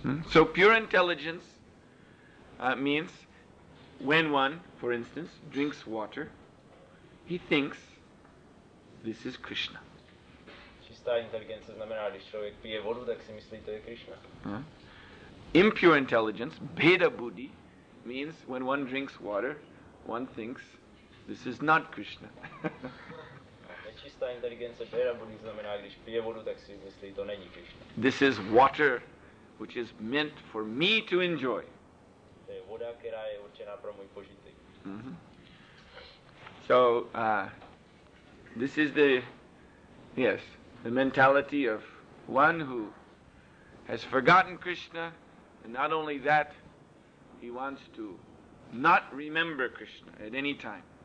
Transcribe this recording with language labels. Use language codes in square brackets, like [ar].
[en] So pure intelligence means when one, for instance, drinks water, he thinks, this is Krishna. [cs] Čistá inteligence znamená, když člověk pije vodu, tak si myslí, to je Krishna. [en] Impure intelligence, bheda buddhi, means when one drinks water, one thinks, this is not Krishna. [cs] Čistá inteligence, bheda buddhi, znamená, když pije vodu, tak si myslí, to není Krishna. [en] This is water, which is meant for me to enjoy. [cs] To je voda, která je určená pro můj požitek. [en] So, this is the, yes, the mentality of one who has forgotten Krishna, and not only that, he wants to not remember Krishna at any time.